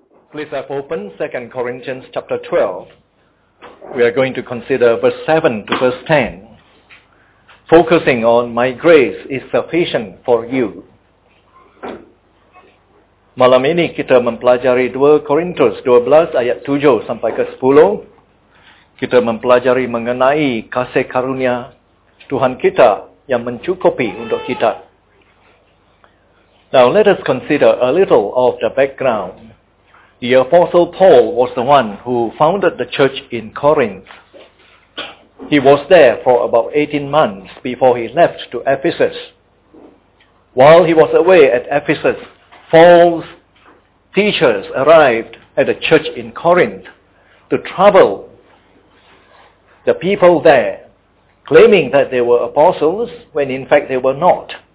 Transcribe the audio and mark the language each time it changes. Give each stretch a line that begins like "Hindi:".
English: Please have opened 2 Corinthians chapter 12. We are going to consider verse 7 to verse 10. Focusing on my grace is sufficient for you.
Malay: Malam ini kita mempelajari 2 Korintus 12 ayat 7 sampai ke 10. Kita mempelajari mengenai kasih karunia Tuhan kita yang mencukupi untuk kita.
English: Now let us consider a little of the background. The Apostle Paul was the one who founded the church in Corinth. He was there for about 18 months before he left to Ephesus. While he was away at Ephesus, false teachers arrived at the church in Corinth to trouble the people there, claiming that they were apostles when in fact they were not.